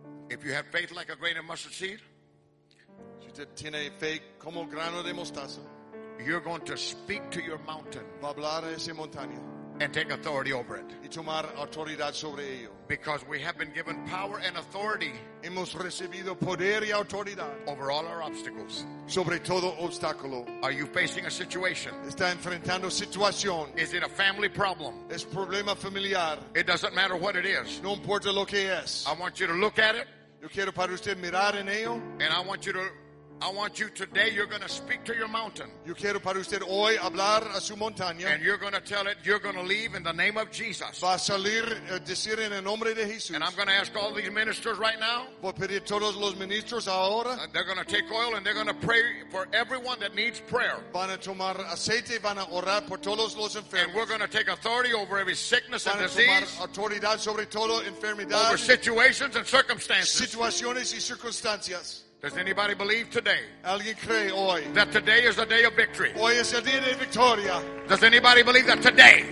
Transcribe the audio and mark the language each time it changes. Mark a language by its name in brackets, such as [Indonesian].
[English] If you have faith like a grain of mustard seed, [Spanish] si usted tiene fe como grano de mostaza, [English] you're going to speak to your mountain. [Spanish] Va a hablar a esa montaña. [English] And take authority over it. [Spanish] Y tomar autoridad sobre ello. [English] Because we have been given power and authority. [Spanish] Hemos recibido poder y autoridad. [English] Over all our obstacles. [Spanish] Sobre todo obstáculo. [English] Are you facing a situation? [Spanish] Está enfrentando situación. [English] Is it a family problem? [Spanish] Es problema familiar. [English] It doesn't matter what it is. [Spanish] No importa lo que es. [English] I want you to look at it. [Spanish] Yo quiero para usted mirar en ello. [English] And I want you today, you're going to speak to your mountain. [Spanish] Yo quiero para usted hoy hablar a su montaña. [English] And you're going to tell it, you're going to leave in the name of Jesus. [Spanish] Va a salir, decir en el nombre de Jesús. [English] And I'm going to ask all these ministers right now. [Spanish] Voy a pedir todos los ministros ahora. [English] They're going to take oil and they're going to pray for everyone that needs prayer. [Spanish] Van a tomar aceite, van a orar por todos los enfermos. [English] And we're going to take authority over every sickness [Spanish] van [English] and disease. [Spanish] Van a tomar autoridad sobre toda enfermedad. [English] Over situations and circumstances. [Spanish] Situaciones y circunstancias. [English] Does anybody believe today? [Spanish] ¿Alguien cree hoy? [English] That today is the day of victory. [Spanish] Hoy es el día de victoria. [English] Does anybody believe that today?